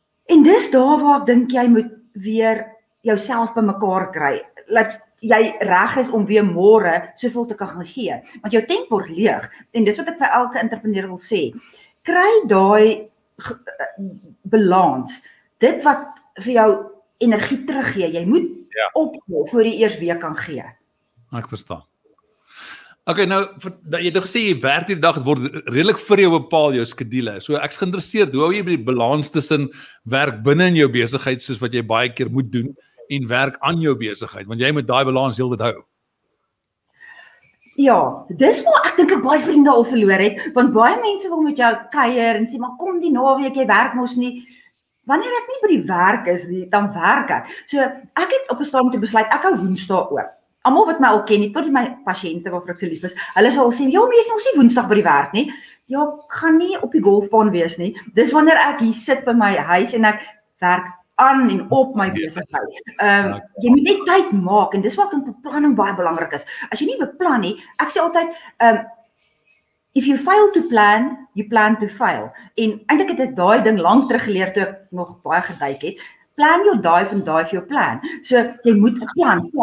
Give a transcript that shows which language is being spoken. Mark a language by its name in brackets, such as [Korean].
[Afrikaans] En dis daar waar ek dink jy moet weer jouself by mekaar kry. Laat jy reg is om weer môre soveel te kan gee. Want jou tempo word leeg. En dis wat ek vir elke entrepreneur wil sê. Kry daai balans. Dit wat vir jou energie teruggee. Jy moet opgeef voor jy eers weer kan gee. Ek verstaan. Ok, nou, jy het nog gesê, jy werk die dag, het word redelik vir jou bepaal jou skedule. So ek is geïnteresseerd, hoe hou jy by die balans tussen werk binnen in jou besigheid, soos wat jy baie keer moet doen, en werk aan jou besigheid, want jy moet die balans heel dit hou. Ja, dis waar ek dink ek baie vriende al verloor het, want baie mense wil met jou kuier en sê, maar kom die naweek, jy werk mos nie. Wanneer ek nie by die werk is nie, dan werk ek. So, ek het op een stadium toe besluit, ek hou woensdag oor. Almal wat my al ken nie, tot die my patiënte waarvoor ek so lief is, hulle sal sê, ja, mense, ons nie woensdag by die werk nie. Ja, ek gaan nie op die golfbaan wees nie. Dis wanneer ek hier sit by my huis en ek werk aan en op my besigheid. Jy moet net tyd maak en dis wat in beplanning baie belangrik is. As jy nie beplan nie, ek sê altyd, [English] if you fail to plan, you plan to fail. [Afrikaans] En eintlik het ek daai ding lang terug geleer toe ek nog baie geduik het. [English] Plan your dive and dive your plan. [Afrikaans] So jy moet plan.